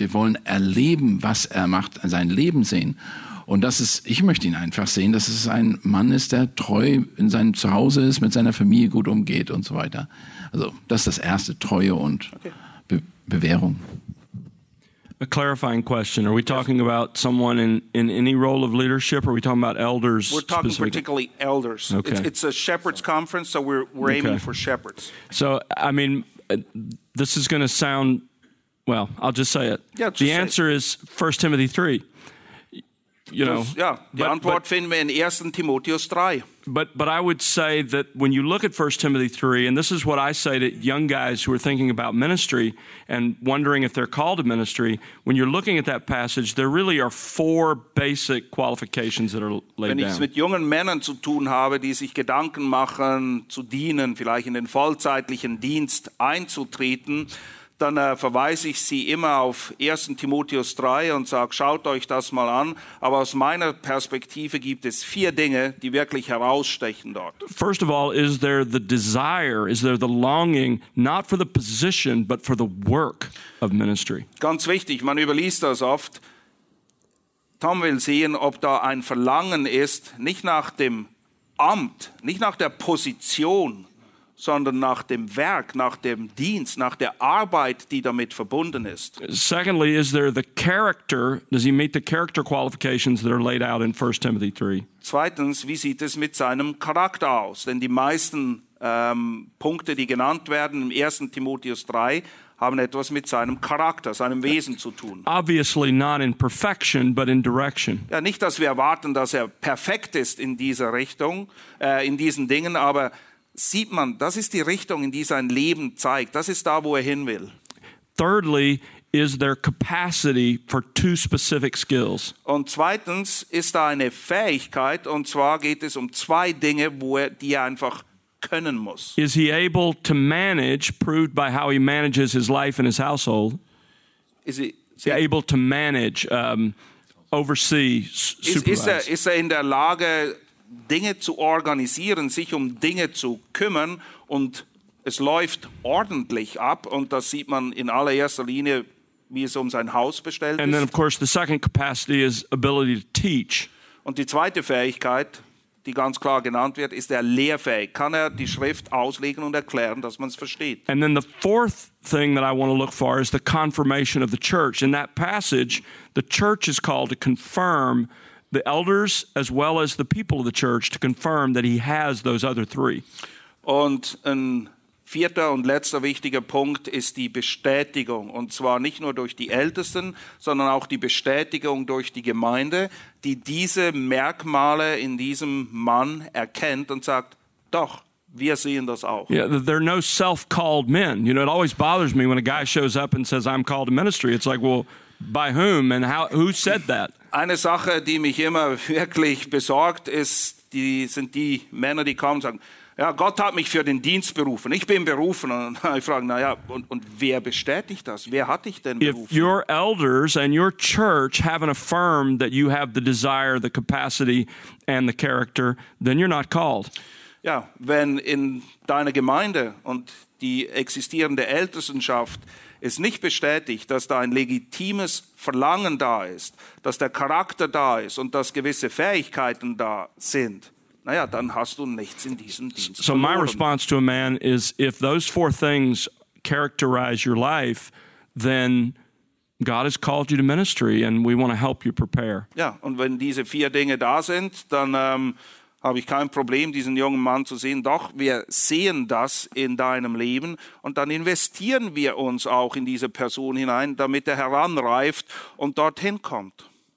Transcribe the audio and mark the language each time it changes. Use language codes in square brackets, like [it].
[de] Wir wollen erleben, was er macht, sein Leben sehen. Und das ist, ich möchte ihn einfach sehen, dass es ein Mann ist, der treu in seinem Zuhause ist, mit seiner Familie gut umgeht und so weiter. Also das ist das Erste, Treue und Bewährung. [en] A clarifying question. Are we talking about someone in any role of leadership? Or are we talking about elders? We're talking particularly elders. Okay. It's a shepherd's conference, so we're aiming for shepherds. So, I mean, this is going to sound, well, I'll just say it. Yeah, just the answer say it. Is 1 Timothy 3. [de] Die Antwort finden wir in 1. Timotheus 3. [en] But I would say that when you look at 1 Timothy 3, and this is what I say to young guys who are thinking about ministry and wondering if they're called to ministry, when you're looking at that passage, there really are four basic qualifications that are laid down. [de] Wenn ich es mit jungen Männern zu tun habe, die sich Gedanken machen, zu dienen, vielleicht in den vollzeitlichen Dienst einzutreten, dann verweise ich sie immer auf 1. Timotheus 3 und sage, schaut euch das mal an. Aber aus meiner Perspektive gibt es vier Dinge, die wirklich herausstechen dort. [en] First of all, is there the desire, is there the longing, not for the position, but for the work of ministry? [de] Ganz wichtig, man überliest das oft. Tom will sehen, ob da ein Verlangen ist, nicht nach dem Amt, nicht nach der Position, sondern nach dem Werk, nach dem Dienst, nach der Arbeit, die damit verbunden ist. [en] Secondly, is there the character, does he meet the character qualifications that are laid out in 1 Timothy 3? [de] Zweitens, wie sieht es mit seinem Charakter aus? Denn die meisten Punkte, die genannt werden im 1. Timotheus 3, haben etwas mit seinem Charakter, seinem Wesen zu tun. [en] Obviously not in perfection, but in direction. [de] Ja, nicht, dass wir erwarten, dass er perfekt ist in dieser Richtung, in diesen Dingen, aber sieht man, das ist die Richtung, in die sein Leben zeigt. Das ist da, wo er hin will. [en] Thirdly, is there capacity for two specific skills? [de] Und zweitens ist da eine Fähigkeit, und zwar geht es um zwei Dinge, wo er die er einfach können muss. [en] Is he able to manage, proved by how he manages his life and his household? Is he able to manage, oversee, supervise? [de] Ist er in der Lage, Dinge zu organisieren, sich um Dinge zu kümmern und es läuft ordentlich ab und das sieht man in allererster Linie, wie es um sein Haus bestellt ist. [en] And then of course the second capacity is ability to teach. [de] Und die zweite Fähigkeit, die ganz klar genannt wird, ist der Lehrfähig. Kann er die Schrift auslegen und erklären, dass man es versteht? [en] And then the fourth thing that I want to look for is the confirmation of the church. In that passage, the church is called to confirm the elders as well as the people of the church to confirm that he has those other three. [de] Und ein vierter und letzter wichtiger Punkt ist die Bestätigung, und zwar nicht nur durch die Ältesten, sondern auch die Bestätigung durch die Gemeinde, die diese Merkmale in diesem Mann erkennt und sagt, doch, wir sehen das auch. [en] Yeah, there are no self-called men. You know, it always bothers me when a guy shows up and says, I'm called to ministry. It's like, well, by whom and how, who said that? [de] Eine Sache, die mich immer wirklich besorgt, ist, die sind die Männer, die kommen und sagen, ja, Gott hat mich für den Dienst berufen. Ich bin berufen. Und ich frage, naja, und wer bestätigt das? Wer hat dich denn berufen? [en] If your elders and your church haven't affirmed that you have the desire, the capacity and the character, then you're not called. [de] Ja, wenn in deiner Gemeinde und die existierende Ältestenschaft es nicht bestätigt, dass da ein legitimes Verlangen da ist, dass der Charakter da ist und dass gewisse Fähigkeiten da sind, naja, dann hast du nichts in diesem Dienst verloren. [en] So my response to a man is, if those four things characterize your life, then God has called you to ministry and we want to help you prepare. [de] Ja, und wenn diese vier Dinge da sind, dann habe ich kein Problem, diesen jungen Mann zu sehen. Doch, wir sehen das in deinem Leben und dann investieren wir uns auch in diese Person hinein, damit er heranreift und dorthin kommt.